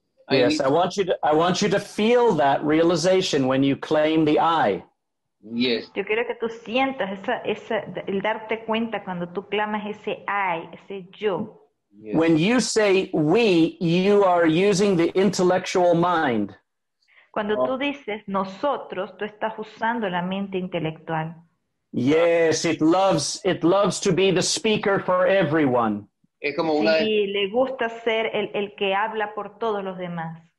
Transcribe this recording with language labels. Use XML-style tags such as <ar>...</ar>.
<en>Yes, I want you to feel that realization when you claim the I. Yes.</en> <es>Yo quiero que tú sientas esa el darte cuenta cuando tú clamas ese I, ese yo.</es> <en>Yes. When you say we, you are using the intellectual mind.</en> <es>Cuando tú dices nosotros, tú estás usando la mente intelectual.</es> <en>Yes, it loves to be the speaker for everyone.</en> <es>Es como una sí, le gusta ser el que habla por todos los demás.</es>